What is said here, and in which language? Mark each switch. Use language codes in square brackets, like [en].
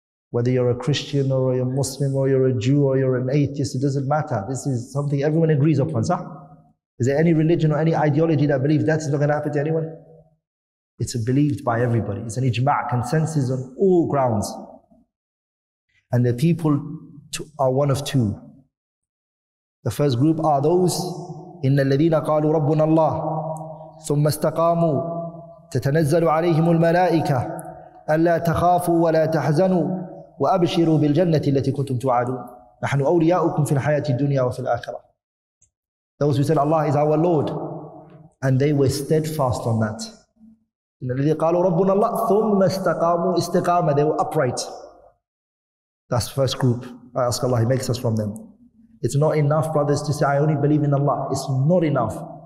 [en] Whether you're a Christian or you're a Muslim or you're a Jew or you're an atheist, it doesn't matter. This is something everyone agrees upon. Sir? Is there any religion or any ideology that believes death is not going to happen to anyone? It's believed by everybody. It's an ijma' consensus on all grounds. And the people are one of two. The first group are those [ar] إِنَّ الَّذِينَ قَالُوا رَبُّنَا اللَّهِ ثُمَّ اسْتَقَامُوا تَتَنَزَّلُ عَلَيْهِمُ الْمَلَائِكَةِ أَلَّا تَخَافُوا وَلَا تَحْزَنُوا وَأَبْشِرُوا بِالْجَنَّةِ الَّتِي كُنْتُمْ تُوَعَدُونَ نَحْنُ أَوْلِيَاؤُكُمْ فِي الْحَيَاةِ الدُّنْيَا وَفِي الْآخِرَةِ. [en] Those who said Allah is our Lord, and they were steadfast on that. [ar] إِنَّ الَّذِينَ قَالُوا رَبُّنَا اللَّهِ ثُمَّ اسْتَقَامُوا استِقَامَةً. [en] They were upright. That's the first group. I ask Allah, He makes us from them. It's not enough, brothers, to say, I only believe in Allah. It's not enough.